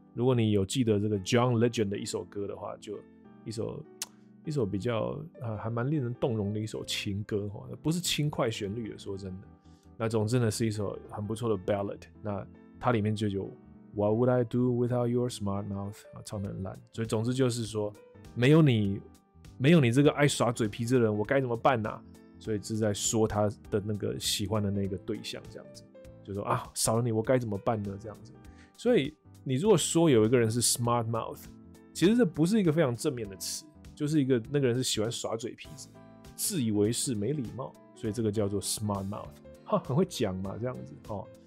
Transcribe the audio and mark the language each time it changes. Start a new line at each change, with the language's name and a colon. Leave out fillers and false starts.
Chinese: 如果你有记得这个 John Legend 的一首歌的话，就一首比较还蛮令人动容的一首情歌哈，不是轻快旋律的，说真的。那总之呢是一首很不错的 ballad。那它里面就有
English: What would I do without your smart mouth？
Chinese: 啊，唱得很烂。所以总之就是说没有你。没有你这个爱耍嘴皮子的人，我该怎么办啊？所以是在说他的那个喜欢的那个对象，这样子，就说啊，少了你我该怎么办呢？这样子，所以你如果说有一个人是 smart mouth， 其实这不是一个非常正面的词，就是一个那个人是喜欢耍嘴皮子，自以为是没礼貌，所以这个叫做 smart mouth， 哈，很会讲嘛，这样子哦。